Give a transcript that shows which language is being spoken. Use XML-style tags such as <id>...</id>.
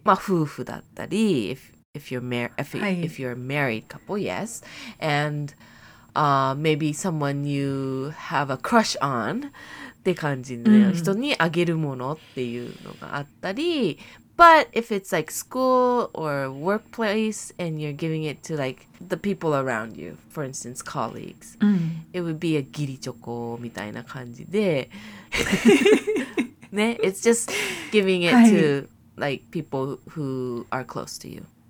<ja>まあ夫婦だったり</ja> <en>if you're a married couple, yes, and、maybe someone you have a crush on</en> <ja>って感じで、</ja> <en>mm.</en> <ja>人にあげるものっていうのがあったり。</ja> <en>But if it's like school or workplace and you're giving it to like the people around you, for instance, colleagues,、うん、 it would be a</en> <ja>ギリチョコみたいな感じで。</ja> <en>ね、it's just giving it、はい、to like people who are close to you.</en>